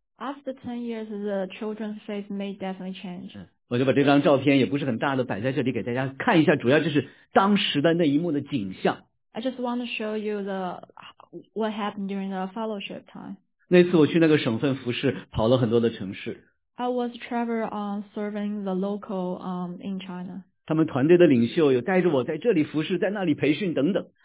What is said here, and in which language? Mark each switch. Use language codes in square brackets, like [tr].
[en] After 10 years, the children's face may definitely change. [zh] 我就把这张照片也不是很大的摆在这里给大家看一下，主要就是当时的那一幕的景象。 [en] I just want to show you what happened during the fellowship time. [zh] 那次我去那个省份服侍，跑了很多的城市。 [en] I was traveling serving the local in China. [zh] 他们团队的领袖有带着我在这里服侍，在那里培训等等。